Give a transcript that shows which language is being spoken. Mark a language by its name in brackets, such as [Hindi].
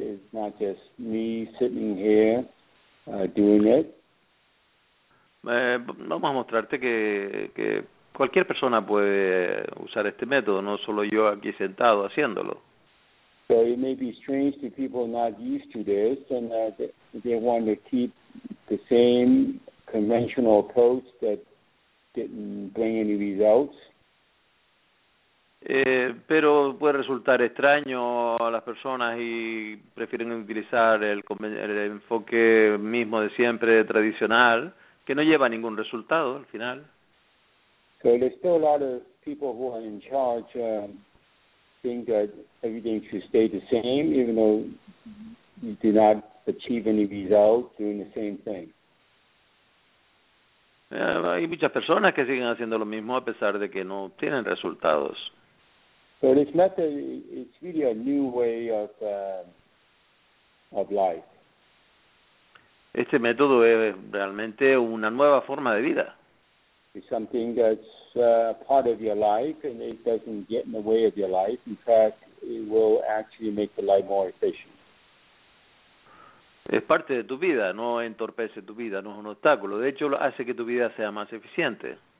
[English] It's not just me sitting here doing it. [Spanish] Vamos a mostrarte que cualquier persona puede usar este método, no solo yo aquí sentado haciéndolo. [English] So it may be strange to people not used to this, and they want to keep the same conventional approach that didn't bring any results. [Spanish] Pero puede resultar extraño a las personas y prefieren utilizar el enfoque mismo de siempre, tradicional, que no lleva a ningún resultado al final. [English] So there's still a lot of people who are in charge think that everything should stay the same, even though you do not achieve any results doing the same thing. [Spanish] Hay muchas personas que siguen haciendo lo mismo a pesar de que no tienen resultados. [English] So this method is really a new way of life. [Spanish] Este método es realmente una nueva forma de vida. [English] It's something that's part of your life, and it doesn't get in the way of your life. In fact, it will actually make the life more efficient. [Spanish] Es parte de tu vida, no entorpece tu vida, no es un obstáculo. De hecho, hace que tu vida sea más eficiente.